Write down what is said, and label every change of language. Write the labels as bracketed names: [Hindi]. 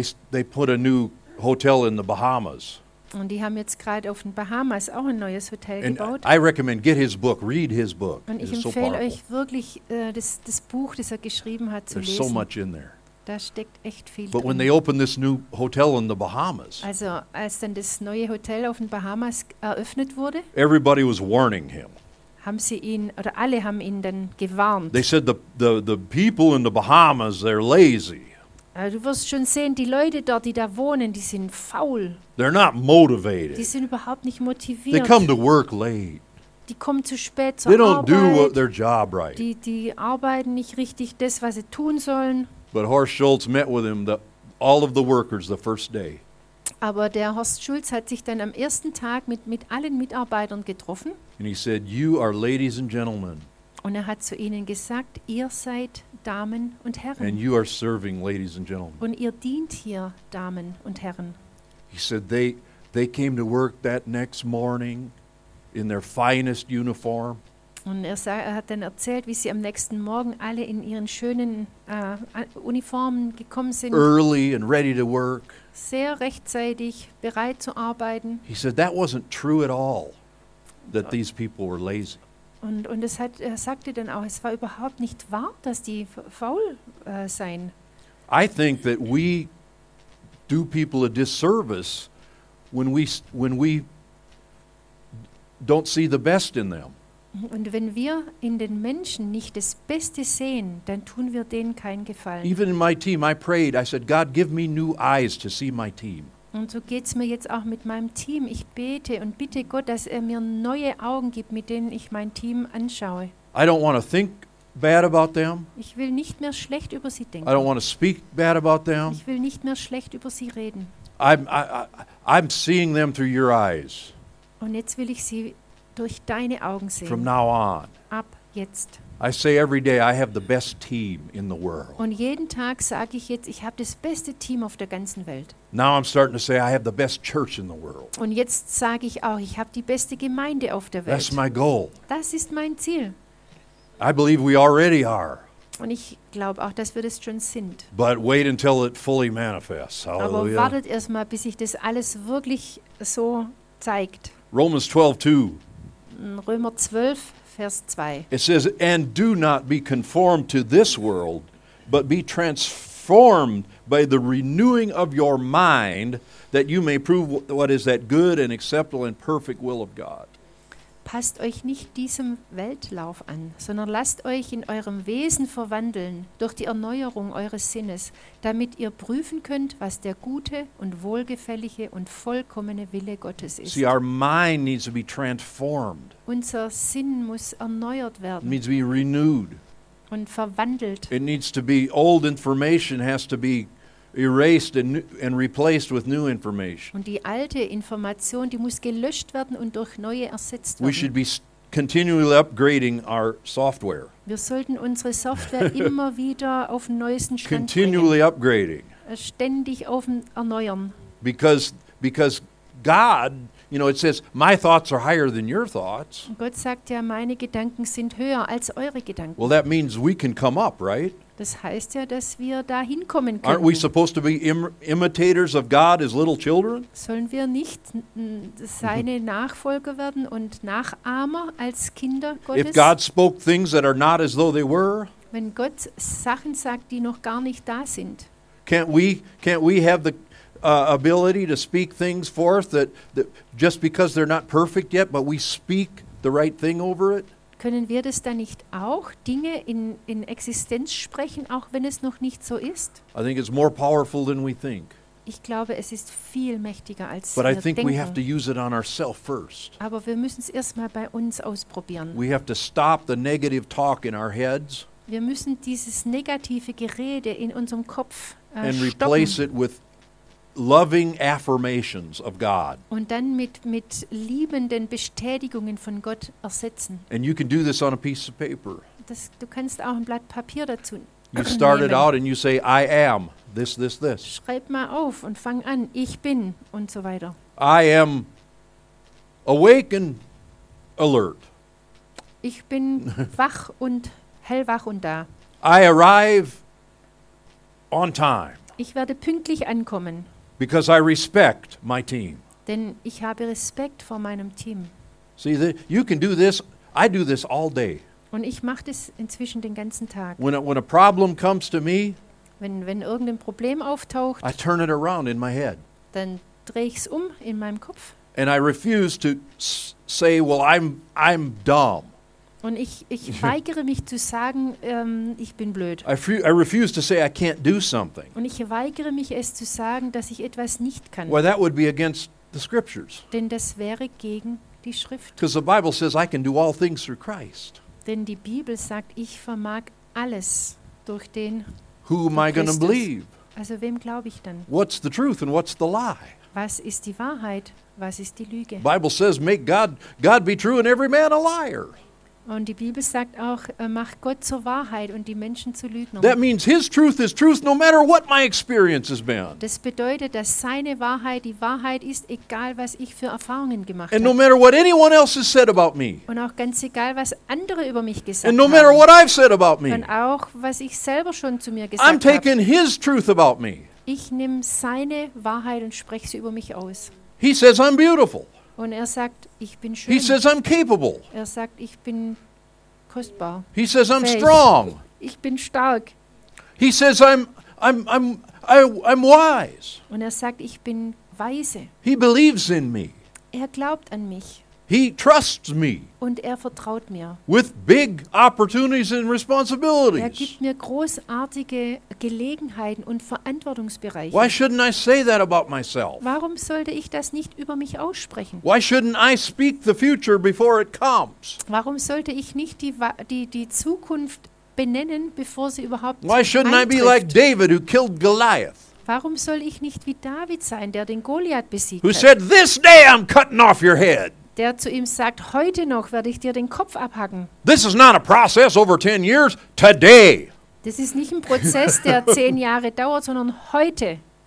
[English] They put a new hotel in the Bahamas. [German] Und die haben jetzt gerade auf den Bahamas auch ein neues Hotel [English] and [German] gebaut. [English] I recommend, get his book, read his book. [German] Und ich empfehle euch wirklich, das Buch, das er geschrieben hat, zu lesen. [English] So much in there. [German] Da steckt echt viel drin. [English] But when they opened this new hotel in the Bahamas, [German] also als dann das neue Hotel auf den Bahamas eröffnet wurde, [English] everybody was warning him. [German] Haben sie ihn, oder alle haben ihn dann gewarnt. [English] They said the people in the Bahamas, they're lazy. [German] Du wirst schon sehen, die Leute dort, die da wohnen, die sind faul. [English] They're not motivated. [German] Die sind überhaupt nicht motiviert. [English] They come to work late. [German] Die kommen zu spät zur [English] They don't [German] Arbeit. [English] Do what their job right. [German] Die arbeiten nicht richtig das, was sie tun sollen. [English] But Horst Schulze met with him, all of the workers the first day. [German] Aber der Horst Schulze hat sich dann am ersten Tag mit allen Mitarbeitern getroffen. [English] And he said, you are ladies and gentlemen. [German] Und er hat zu ihnen gesagt, ihr seid Damen und Herren. [English] And you are serving, ladies and gentlemen. [German] Und ihr dient hier, Damen und Herren. [English] He said they came to work that next morning in their finest uniform. [German] Und er hat dann erzählt, wie sie am nächsten Morgen alle in ihren schönen Uniformen gekommen sind. [English] Early and ready to work. [German] Sehr rechtzeitig bereit zu arbeiten. [English] He said that wasn't true at all, that these people were lazy. [German] Und es hat, er sagte dann auch, es war überhaupt nicht wahr, dass die faul seien. [English] I think that we do people a disservice when we don't see the best in them. [German] Und wenn wir in den Menschen nicht das Beste sehen, dann tun wir denen keinen Gefallen. [English] Even in my team, I prayed. I said, God, give me new eyes to see my team. [German] Und so geht's mir jetzt auch mit meinem Team. Ich bete und bitte Gott, dass er mir neue Augen gibt, mit denen ich mein Team anschaue. [English] I don't want to think bad about them. [German] Ich will nicht mehr schlecht über sie denken. [English] I don't want to speak bad about them. [German] Ich will nicht mehr schlecht über sie reden. [English] I'm seeing them through your eyes. [German] Und jetzt will ich sie durch deine Augen sehen. [English] From now on. [German] Ab jetzt. [English] I say every day I have the best team in the world. [German] Und jeden Tag sage ich jetzt, ich habe das beste Team auf der ganzen Welt. [English] Now I'm starting to say I have the best church in the world. [German] Und jetzt sage ich auch, ich habe die beste Gemeinde auf der Welt. [English] That's my goal. [German] Das ist mein Ziel. [English] I believe we already are. [German] Und ich glaube auch, dass wir das schon sind. [English] But wait until it fully manifests. Hallelujah. [German] Aber wartet erstmal, bis sich das alles wirklich so zeigt. [English] Romans 12:2. [German] Römer 12 Vers 2. [English] It says, and do not be conformed to this world, but be transformed by the renewing of your mind, that you may prove what is that good and acceptable and perfect will of God. [German] Passt euch nicht diesem Weltlauf an, sondern lasst euch in eurem Wesen verwandeln durch die Erneuerung eures Sinnes, damit ihr prüfen könnt, was der gute und wohlgefällige und vollkommene Wille Gottes ist. [English] See, our mind needs to be transformed. [German] Unser Sinn muss erneuert werden. [English] It needs to be renewed. [German] Und verwandelt. [English] It needs to be, old information has to be erased and replaced with new information. [German] Und die alte Information, die muss gelöscht werden und durch neue ersetzt werden. [English] We should be continually upgrading our software. [German] Wir sollten unsere Software immer wieder auf den neuesten Stand [English] continually [German] bringen. [English] Upgrading. [German] Ständig auf erneuern. [English] Because God, you know, it says, my thoughts are higher than your thoughts. [German] Gott sagt ja, meine Gedanken sind höher als eure Gedanken. [English] Well, that means we can come up, right? [German] Das heißt ja, dass wir da hinkommen können. [English] Aren't we supposed to be imitators of God as little children? [German] Sollen wir nicht seine Nachfolger werden und Nachahmer als Kinder Gottes? [English] If God spoke things that are not as though they were, [German] wenn Gott Sachen sagt, die noch gar nicht da sind, [English] can't we have the ability to speak things forth that just because they're not perfect yet, but we speak the right thing over it? [German] Können wir das dann nicht auch Dinge in Existenz sprechen, auch wenn es noch nicht so ist? [English] I think it's more powerful than we think. [German] Ich glaube, es ist viel mächtiger als [English] But [German] wir [English] I think [German] denken. [English] We have to use it on ourselves first. [German] Aber wir müssen es erstmal bei uns ausprobieren. [English] We have to stop the negative talk in our heads. [German] Wir müssen dieses negative Gerede in unserem Kopf stoppen. [English] And replace it with loving affirmations of God. [German] Und dann mit liebenden Bestätigungen von Gott ersetzen. [English] And you can do this on a piece of paper. [German] Das, du kannst auch ein Blatt Papier dazu [English] You start it out and you say, I am this, this, this. [German] Schreib mal auf und fang an, ich bin und so weiter. [English] I am awake and alert. [German] Ich bin wach und hellwach und da. [English] I arrive on time. [German] Ich werde pünktlich ankommen. [English] Because I respect my team. [German] Denn ich habe Respekt vor meinem Team. [English] See, you can do this. I do this all day. [German] Und ich mache das inzwischen den ganzen Tag. [English] When a problem comes to me, [German] wenn irgendein Problem auftaucht, [English] I turn it around in my head. [German] Dann drehe ich es um in meinem Kopf. [English] And I refuse to say, well, I'm dumb. [German] Und ich weigere mich zu sagen, ich bin blöd. [English] I refuse to say I can't do something. [German] Und ich weigere mich es zu sagen, dass ich etwas nicht kann. [English] Well, that would be against the scriptures. [German] Denn das wäre gegen die Schrift. [English] Because the Bible says I can do all things through Christ. [German] Denn die Bibel sagt, ich vermag alles durch den [English] Who am I gonna believe? [German] Also wem glaube ich dann? [English] What's the truth and what's the lie? [German] Was ist die Wahrheit, was ist die Lüge? [English] Bible says make God be true and every man a liar. [German] Und die Bibel sagt auch, mach Gott zur Wahrheit und die Menschen zu Lügnern. [English] That means his truth is truth no matter what my experience has been. [German] Das bedeutet, dass seine Wahrheit die Wahrheit ist, egal was ich für Erfahrungen gemacht habe. [English] And no matter what anyone else has said about me. [German] Und auch ganz egal, was andere über mich gesagt haben. [English] And no matter what I've said about me. [German] Und auch, was ich selber schon zu mir gesagt habe. [English] I'm taking his truth about me. [German] Ich nehme seine Wahrheit und spreche sie über mich aus. [English] He says I'm beautiful. [German] Und er sagt, ich bin schön. [English] He says I'm capable. [German] Er sagt, ich bin kostbar. [English] He says I'm strong. [German] Ich bin stark. [English] He says I'm wise. [German] Und er sagt, ich bin weise. [English] He believes in me. [German] Er glaubt an mich. [English] He trusts me. [German] Und er vertraut mir. [English] With big opportunities and responsibilities. [German] Er gibt mir großartige Gelegenheiten und Verantwortungsbereiche. [English] Why shouldn't I say that about myself? [German] Warum sollte ich das nicht über mich aussprechen? [English] Why shouldn't I speak the future before it comes? [German] Warum sollte ich nicht die Zukunft benennen, bevor sie überhaupt eintrifft? [English] Why shouldn't I be like David who killed Goliath? [German] Warum soll ich nicht wie David sein, der den Goliath besiegt [English] who [German] hat? [English] Who said this day I'm cutting off your head? [German] Der zu ihm sagt, heute noch werde ich dir den Kopf abhacken. [English] This is not a process over 10 years, today. [German] Das ist nicht ein Prozess, der 10 Jahre dauert, sondern heute.